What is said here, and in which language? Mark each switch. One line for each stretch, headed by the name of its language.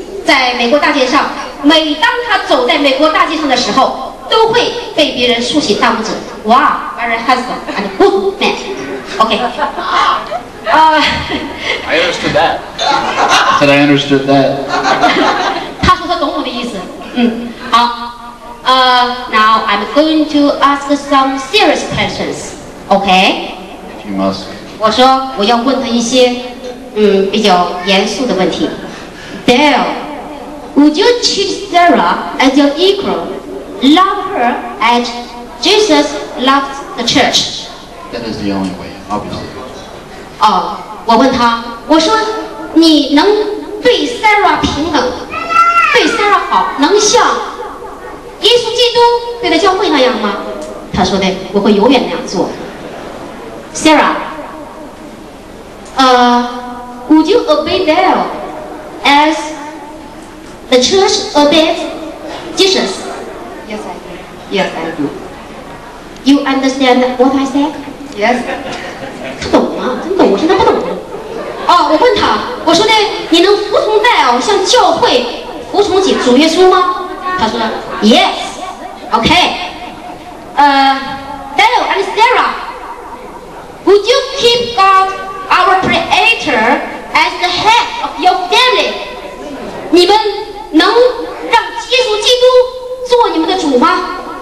Chinese: 在美国大街上，每当他走在美国大街上的时候，都会被别人竖起大拇指。
English: 哇 ，very handsome and good man。OK。 I understood that. That I understood that.
Chinese: 他说他懂我的意思。嗯，好。
English: Now I'm going to ask some serious questions. OK. If you must.
Chinese: 我说我要问他一些比较严肃的问题。
English: Dale, would you treat Sarah as your equal? Love her as Jesus loved the church. That is the only way, obviously.
Chinese: 我问他，我说你能对 Sarah 平等，对 Sarah 好，能像耶稣基督对他教会那样吗？他说的，我会永远那样做。
English: Sarah, would you obey Dale as the church obeys Jesus? Yes, I do. Yes, I do. You understand what I said? Yes.
Chinese: 他懂吗？真懂？我说他不懂。我问他，我说的，你能服从 Dale 像教会服从主耶稣吗？他说
English: Yes. OK. Dale and Sarah, would you keep God our creator as the head of your family?
Chinese: 你们能让耶稣基督做你们的主吗？